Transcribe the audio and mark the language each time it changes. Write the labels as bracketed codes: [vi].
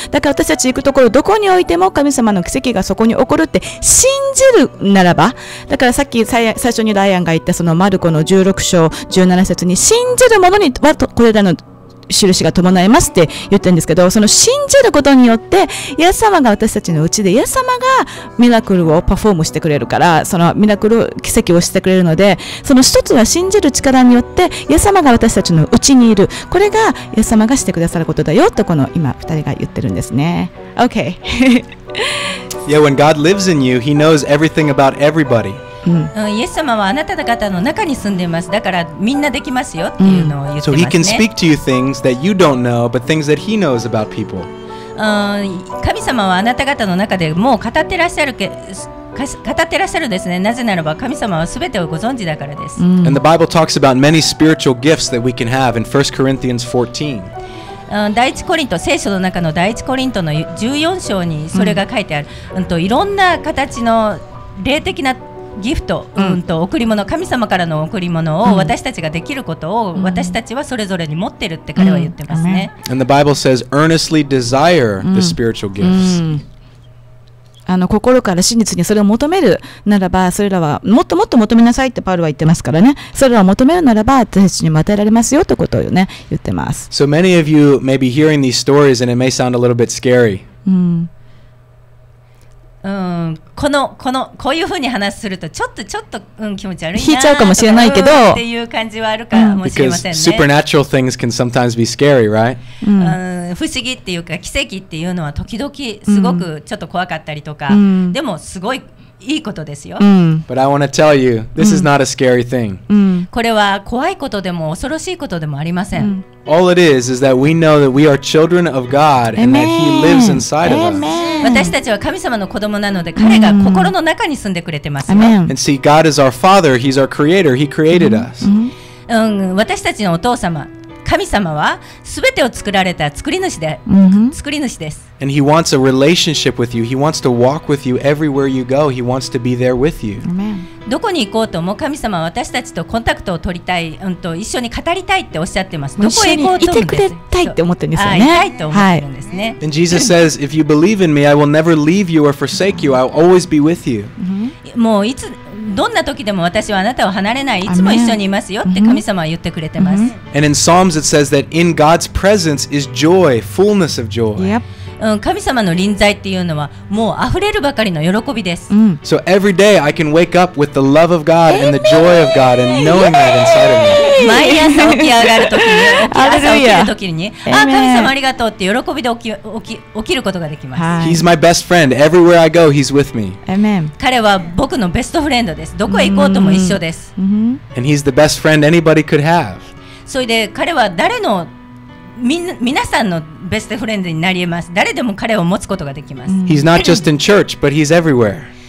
[ja] だから私たち行くところどこに置いても神様の奇跡がそこに起こるって信じるならば、だからさっき最初にライアンが言ったそのマルコの16章17節に、信じる者にはこれらの印が伴いますって言ってるんですけど、その信じることによってイエス様が私たちのうちで、イエス様がミラクルをパフォームしてくれるから、そのミラクル奇跡をしてくれるので、その一つは信じる力によってイエス様が私たちのうちにいる、これがイエス様がしてくださることだよと、この今二人が言ってるんですね。 [en] OK Yeah, when God lives in you, He knows everything about everybody. [ja] うん、イエス様はあなた方の中に住んでいます。だからみんなできますよっていうのを言ってますね。 [en] So he can speak to you things that you don't know, but things that he knows about people. [ja] 神様はあなた方の中でもう語ってらっしゃるけ、語ってらっしゃるですね。なぜならば神様はすべてをご存知だからです。 [en] And the Bible talks about many spiritual gifts that we can have in 1 Corinthians 14. [ja] 第一コリント、聖書の中の第一コリントの14章にそれが書いてある。いろんな形の霊的なギフト、贈り物、神様からの贈り物を私たちができることを私たちはそれぞれに持ってるって彼は言ってますね。 [en] And the Bible says, earnestly desire the spiritual gifts. [ja] あの、心から真実にそれを求めるならば、それらはもっともっと求めなさいってパウロは言ってますからね。それらを求めるならば、私たちにも与えられますよってことをね、言ってます。 [en] So many of you may be hearing these stories and it may sound a little bit scary. [ja] このこういうふうに話するとちょっと、気持ち悪いなとか引いちゃうかもしれないけど、っていう感じはあるかもしれませんね。 [en] Because supernatural things can sometimes be scary, right? [ja] 不思議っていうか奇跡っていうのは時々すごくちょっと怖かったりとか、でもすごいいいことですよ。 [en] But I want to tell you, this is not a scary thing. [ja] これは怖いことでも恐ろしいことでもありません。 [en] All it is that we know that we are children of God and that He lives inside of us. [ja] 私たちは神様の子供なので彼が心の中に住んでくれてます。 [en] And see, God is our Father. He's our Creator. He created us. [ja] 私たちのお父様、神様はすべてを作られた作り主で、作り主です。 [en] And He wants a relationship with you. He wants to walk with you everywhere you go. He wants to be there with you. [ja] どこに行こうとも神様は私たちとコンタクトを取りたい、一緒に語りたいっておっしゃってます。どこへ行こうともいてくれたいって思ってるんですよね。いたいと思ってるんですね。はい、 [en] And Jesus says, if you believe in me, I will never leave you or forsake you. I'll always be with you. [ja] もういつどんな時でも私はあなたを離れない、いつも一緒にいますよって神様は言ってくれてます。 [en] And in Psalms it says that in God's presence is joy, fullness of joy. [ja] 神様の臨在っていうのはもう溢れるばかりの喜びです。 [en] So every day I can wake up with the love of God and the joy of God and knowing that inside of me. [ja] 毎朝起き上がる時に、朝起きる時に、あ、神様ありがとうって喜びで起きることができます。 [en] He's my best friend. Everywhere I go, he's with me. Amen. [ja] 彼は僕のベストフレンドです。どこへ行こうとも一緒です。 [en] And he's the best friend anybody could have. [ja] それで彼は誰の皆さんのベストフレンドになり得ます。誰でも彼を持つことができます。 [en] He's not just in church, but he's everywhere.